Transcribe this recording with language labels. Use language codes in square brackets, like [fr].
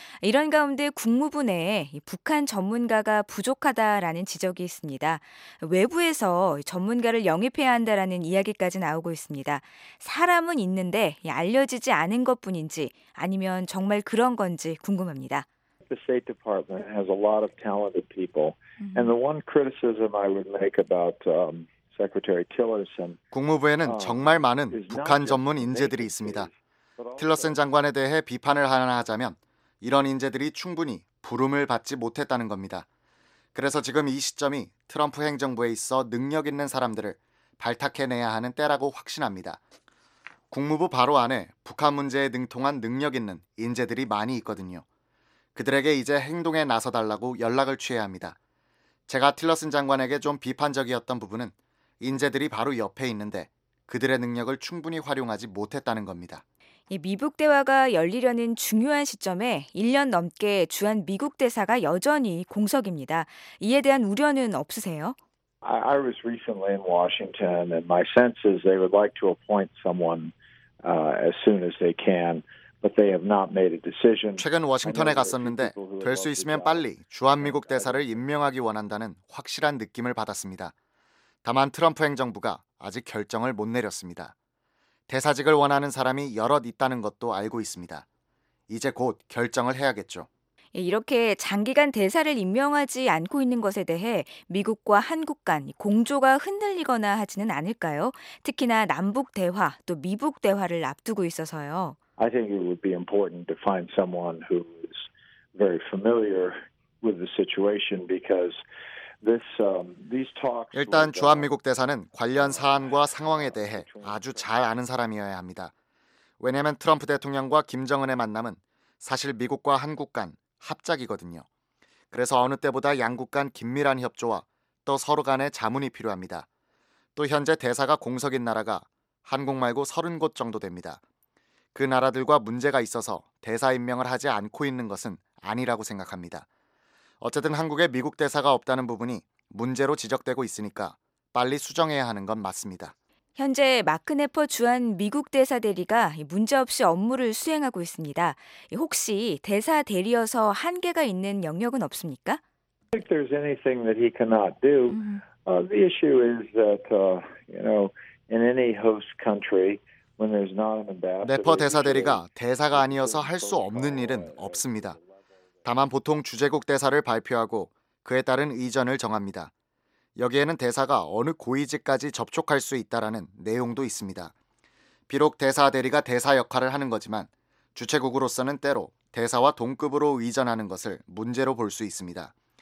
[ko] 이런 가운데 국무부 내에 북한 전문가가 부족하다라는 지적이 있습니다. 외부에서 전문가를 영입해야 한다라는 이야기까지 나오고 있습니다. 사람은 있는데 알려지지 않은 것뿐인지 아니면 정말 그런 건지 궁금합니다. [en] The State Department has a lot of talented people. And the one criticism I would make about Secretary Tillerson. [ko] 국무부에는 정말 많은 북한 전문 인재들이 있습니다. 틸러슨 장관에 대해 비판을 하나 하자면 이런 인재들이 충분히 부름을 받지 못했다는 겁니다. 그래서 지금 이 시점이 트럼프 행정부에 있어 능력 있는 사람들을 발탁해내야 하는 때라고 확신합니다. 국무부 바로 안에 북한 문제에 능통한 능력 있는 인재들이 많이 있거든요. 그들에게 이제 행동에 나서달라고 연락을 취해야 합니다. 제가 틸러슨 장관에게 좀 비판적이었던 부분은 인재들이 바로 옆에 있는데 그들의 능력을 충분히 활용하지 못했다는 겁니다. 미북 대화가 열리려는 중요한 시점에 1년 넘게 주한 미국 대사가 여전히 공석입니다. 이에 대한 우려는 없으세요? [en] I was recently in Washington and my sense is they would like to appoint someone as soon as they can. But they have not made a decision. [ko] 최근 워싱턴에 갔었는데 될 수 있으면 빨리 주한미국 대사를 임명하기 원한다는 확실한 느낌을 받았습니다. 다만 트럼프 행정부가 아직 결정을 못 내렸습니다. 대사직을 원하는 사람이 여럿 있다는 것도 알고 있습니다. 이제 곧 결정을 해야겠죠. 이렇게 장기간 대사를 임명하지 않고 있는 것에 대해 미국과 한국 간 공조가 흔들리거나 하지는 않을까요? 특히나 남북 대화 또 미북 대화를 앞두고 있어서요. [en] I think it would be important to find someone who is very familiar with the situation because this these talks [ko] 일단 주한미국 대사는 관련 사안과 상황에 대해 아주 잘 아는 사람이어야 합니다. 왜냐하면 트럼프 대통령과 김정은의 만남은 사실 미국과 한국 간 합작이거든요. 그래서 어느 때보다 양국 간 긴밀한 협조와 또 서로 간의 자문이 필요합니다. 또 현재 대사가 공석인 나라가 한국 말고 30곳 정도 됩니다. 그 나라들과 문제가 있어서 대사 임명을 하지 않고 있는 것은 아니라고 생각합니다. 어쨌든 한국에 미국 대사가 없다는 부분이 문제로 지적되고 있으니까 빨리 수정해야 하는 건 맞습니다. 현재 마크 네퍼 주한 미국 대사 대리가 문제 없이 업무를 수행하고 있습니다. 혹시 대사 대리여서 한계가 있는 영역은 없습니까? [en] I think there's anything that he cannot do. The issue is that you know, in any host country. [ko] 네퍼 대사 대리가 대사가 아니어서 할 수 없는 일은 없습니다. 다만 보통 주재국 대사를 발표하고 그에 따른 의전을 정합니다. 여기에는 대사가 어느 고위직까지 접촉할 수 있다라는 내용도 있습니다. 비록 대사 대리가 대사 역할을 하는 거지만 주최국으로서는 때로 대사와 동급으로 의전하는 것을 문제로 볼 수 있습니다.